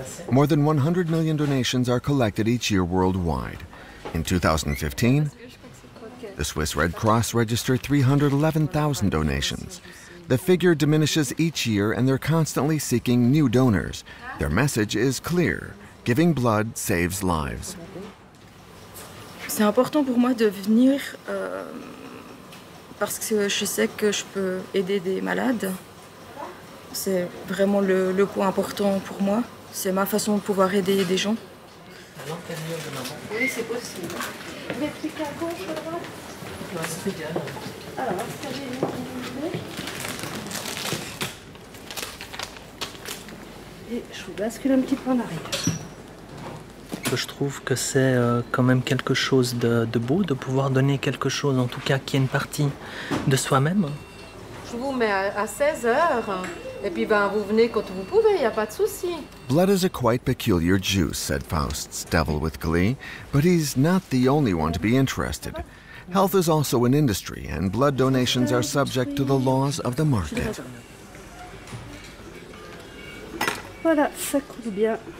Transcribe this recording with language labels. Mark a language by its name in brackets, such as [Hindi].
[English] More than 100 million donations are collected each year worldwide. In 2015, the Swiss Red Cross registered 311,000 donations. The figure diminishes each year, and they're constantly seeking new donors. Their message is clear. Giving blood saves lives. [French] C'est important pour moi de venir parce que je sais que je peux aider des malades. C'est vraiment le point important pour moi. C'est ma façon de pouvoir aider des gens. Oui, c'est possible. Mais c'est qu'à gauche, là. C'est égal. Alors, est-ce que j'ai une idée? Et je vous bascule un petit peu en arrière. Je trouve que c'est quand même quelque chose de beau de pouvoir donner quelque chose, en tout cas qui est une partie de soi-même. Je vous mets à 16 heures et puis ben vous venez quand vous pouvez, il n'y a pas de souci. [English] Blood is a quite peculiar juice, said Faust's devil with glee, but he's not the only one to be interested. Health is also an industry and blood donations are subject to the laws of the market. [French] Voilà, ça coûte bien.